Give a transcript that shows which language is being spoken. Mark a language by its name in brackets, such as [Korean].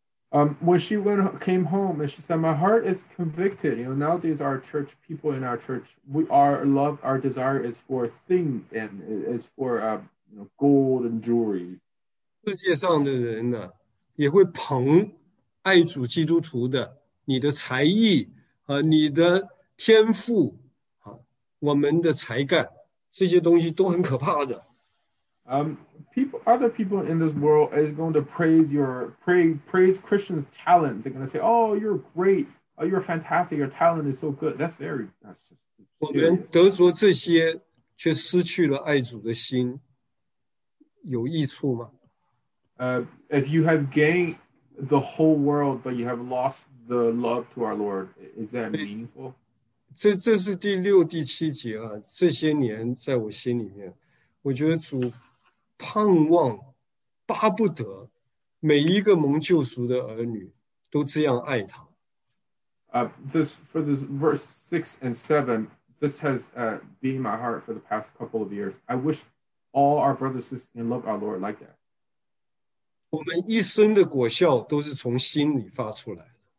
[English] When she came home and she said, my heart is convicted. You know, nowadays our church people in our church, our desire is for things and is for gold and jewelry. [Chinese] 世界上的人呢，也会捧爱主基督徒的你的才艺和你的天赋啊，我们的才干，这些东西都很可怕的。 [English] Other people in this world is going to praise Christian's talent. They're going to say, "Oh, you're great. Oh, you're fantastic. Your talent is so good." That's very. [Chinese] 我们得着这些，却失去了爱主的心，有益处吗？ [English] If you have gained the whole world, but you have lost the love to our Lord, is that meaningful? [Chinese] 这是第六、第七节啊。这些年在我心里面，我觉得主盼望、巴不得每一个蒙救赎的儿女都这样爱他。 [English] For this verse 6 and 7, this has been my heart for the past couple of years. I wish all our brothers and sisters loved our Lord like that. [Chinese] 我们一生的果效都是从心里发出来的。